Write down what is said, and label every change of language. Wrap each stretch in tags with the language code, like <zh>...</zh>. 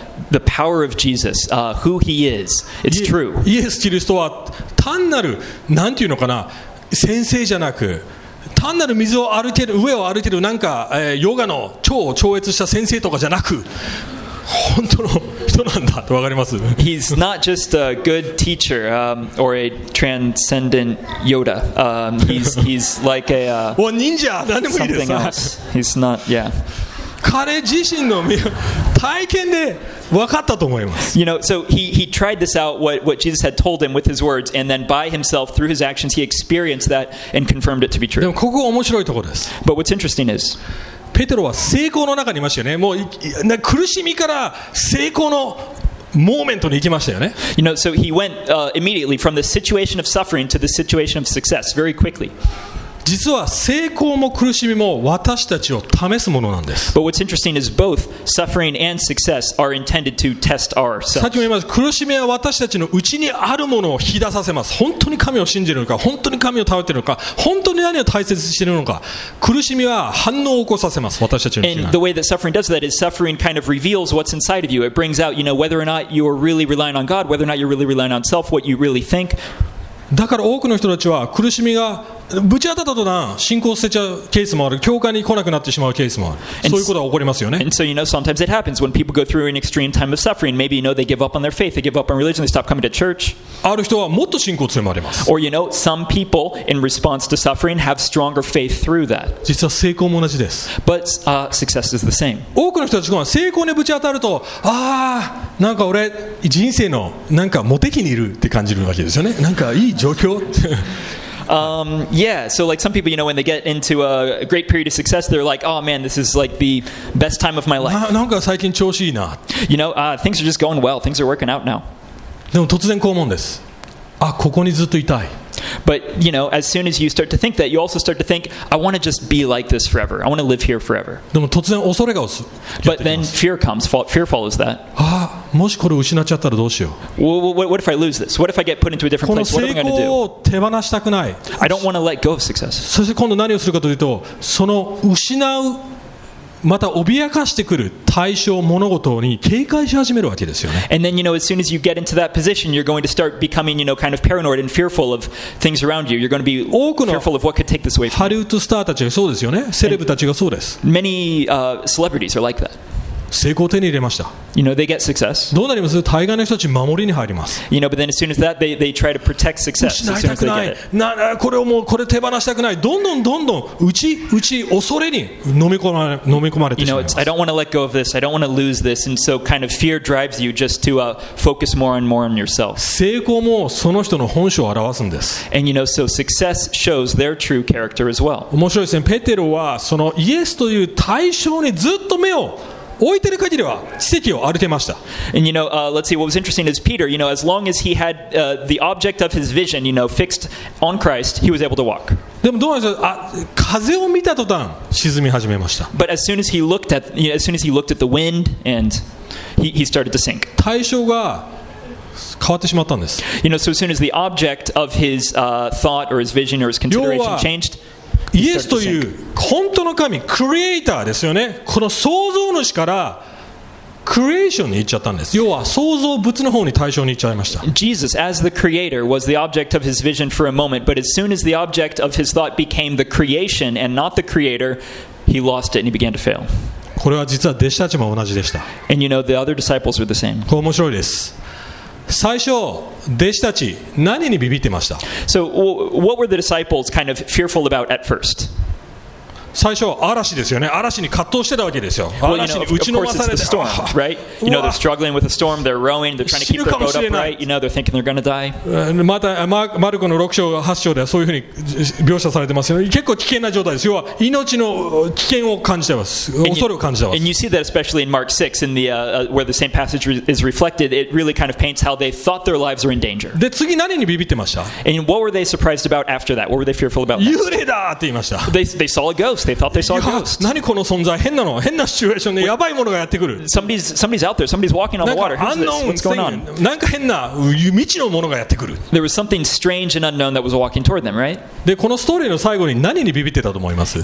<en>The power of Jesus, who he is, it's true.</en> <ja>イエス・キリストは単なる、なんていうのかな、先生じゃなく、単なる水を歩ける上を歩けるなんか、ヨガの超超越した先生とかじゃなく本当の人なんだと分かります。</ja> <en>He's not just a good teacher, or a transcendent Yoda. He's like a something else. He's not, yeah.</en> <ja>彼自身の体験で分かったと思います。</ja> <en>You know, so he tried this out, what Jesus had told him with his words, and then by himself, through his actions, he experienced that and confirmed it to be true.</en> <ja>でもここが面白いところです。</ja> <en>But what's interesting is,</en> <ja>ペテロは成功の中にいましたよね。もう苦しみから成功のモーメントに行きましたよね。</ja> <en>You know, so he went immediately from the situation of suffering to the situation of success very quickly.</en> <ja>実は成功も苦しみも私たちを試すものなんです。</ja> <en>But what's interesting is both suffering and success are intended to test ourselves.</en> <ja>さっきも言いました、苦しみは私たちの内にあるものを引き出させます。本当に神を信じるのか、本当に神を頼っているのか、本当に何を大切にしているのか、苦しみは反応を起こさせます、私たちの内に。</ja> <en>And the way that suffering does that is suffering kind of reveals what's inside of you. It brings out, you know, whether or not you are really relying on God, whether or not you're really relying on self, what you really think.</en> <ja>だから多くの人たちは苦しみがぶち当たったとな信仰を捨てちゃうケースもある、教会に来なくなってしまうケースもある。そういうことが起こりますよね。</ja> <en>And so, you know, sometimes it happens when people go through an extreme time of suffering. Maybe, you know, they give up on their faith, they give up on religion, they stop coming to church.</en> <ja>ある人はもっと信仰強まります。</ja> <en>Or, you know, some people in response to suffering have stronger faith through that.</en> <ja>実は成功も同じです。</ja> <en>But, success is the same.</en> <ja>多くの人たちが成功にぶち当たると、ああ、なんか俺人生のなんかモテ期にいるって感じるわけですよね。なんかいい状況。</ja> <en>Yeah, so like some people, you know, when they get into a great period of success, they're like, oh man, this is like the best time of my life.</en> <ja>なんか最近調子いいな。</ja> <en>You know, things are just going well. Things are working out now.</en> <ja>でも突然こう思うんです。あ、ここにずっといたい。</ja> <en>But, you know, as soon as you start to think that, you also start to think, I want to just be like this forever. I want to live here forever.</en> <ja>でも突然恐れが襲う。</ja> <en>But then fear comes. Fear follows that.</en> <ja>あ、もしこれ失っちゃったらどうしよう。</ja> <en>What if I lose this? What if I get put into a different place? What am I going to do?</en> <ja>この成功を手放したくない。</ja> <en>I don't want to let go of success.</en> <ja>そして今度何をするかというと、その失う、また脅かしてくる対象物事に警戒し始めるわけですよね。</ja> <en>And then, you know, as soon as you get into that position, you're going to start becoming, you know, kind of paranoid and fearful of things around you. You're going to be fearful of what could take this away from you.</en> <ja>ハリウッドスターたちがそうですよね。セレブたちがそうです。</ja> <en>Many celebrities are like that.</en> <ja>成功を手に入れました。</ja> <en>You know, they get success.</en> <ja>どうなります? 大概の人たち守りに入ります。</ja> <en>You know, but then as soon as that, they try to protect success.</en> <ja>失いたくない。これをもう、これ手放したくない。どんどん、うち、恐れに飲み込まれてしまいます。</ja> <en>You know, it's, I don't want to let go of this. I don't want to lose this. And so kind of fear drives you just to focus more and more on yourself.</en> <ja>成功もその人の本性を表すんです。</ja> <en>And you know, so success shows their true character as well.</en> <ja>面白いですね。ペテロは、そのイエスという対象にずっと目を置いてる限りは奇跡を歩けました。</ja> <en>And you know, let's see, what was interesting is Peter, you know, as long as he had the object of his vision, you know, fixed on Christ, he was able to walk.</en> <ja>でもどうなんでしょう、あ、風を見た途端沈み始めました。</ja> <en>But as soon as he looked at, you know, as soon as he looked at the wind and he started to sink.</en> <ja>対象が変わってしまったんです。</ja> <en>You know, so as soon as the object of his thought or his vision or his consideration changed,</en> <ja>イエスという本当の神、クリエイターですよね。この創造主からクリエーションに行っちゃったんです。要は創造物の方に対象に行っちゃいました。</ja> <en>Jesus, as the creator, was the object of his vision for a moment, but as soon as the object of his thought became the creation and not the creator, he lost it and he began to fail.</en> <ja>これは実は弟子たちも同じでした。</ja> <en>And you know, the other disciples were the same.</en> <ja>これ面白いです。最初弟子たち何にビビってました。</ja> <en>So, what were the disciples kind of fearful about at first?</en> <ja>最初は嵐ですよね。嵐に葛藤してたわけですよ。嵐に打ちのまされて、</ja> <en>storm, right? You know, they're struggling with the storm. They're rowing. They're trying to keep their boat upright. You know, they're thinking they're gonna die.</en> <ja>またマルコの6章8章ではそういうふうに描写されてますよね。結構危険な状態です。要は命の危険を感じてます。恐れを感じてます。</ja> <en>And you see that especially in Mark 6, in the where the same passage is reflected, it really kind of paints how they thought their lives were in danger.</en> <ja>で次何にビビってました？</ja> <en>And what were they surprised about after that? What were they fearful about?</en> <ja>幽霊だって言いました。</ja> <en>They saw a ghost. They thought they saw a ghost.</en> <ja>何この存在変なの変なシチュエーションでやばいものがやってくる</ja> <en>somebody's out there somebody's walking on the water who's this what's going on</en> <ja>なんか変な未知のものがやってくる</ja> <en>there was something strange and unknown that was walking toward them right</en> <ja>でこのストーリーの最後に何にビビってたと思います</ja>